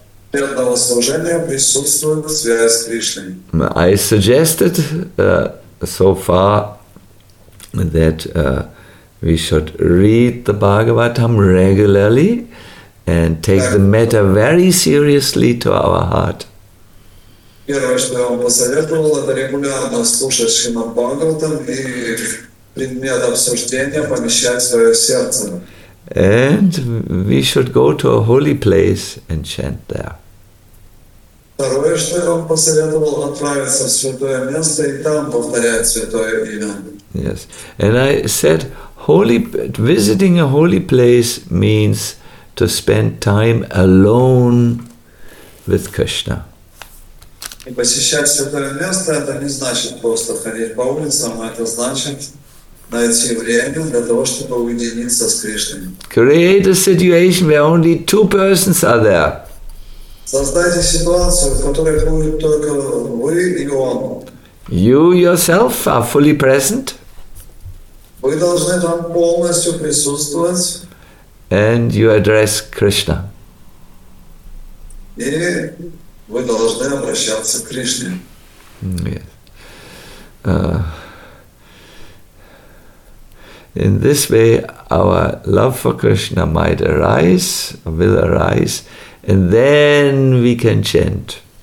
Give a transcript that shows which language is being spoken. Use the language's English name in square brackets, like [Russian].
[Russian] Преданного служения присутствует связь с Кришной. [English] I suggested so far that we should read the Bhagavatam regularly and take the matter very seriously to our heart. [Russian] Первое, [English] And we should go to a holy place and chant there. Yes. And I said, visiting a holy place means to spend time alone with Krishna. Create a situation where only two persons are there. [Russian] Создайте ситуацию, в которой будет только вы и он. [English] You yourself are fully present. [Russian] Вы должны там полностью присутствовать. [English] And you address Krishna. [Russian] И вы должны обращаться к Кришне. [English] Yes. In this way, our love for Krishna might arise, will arise, and then we can chant.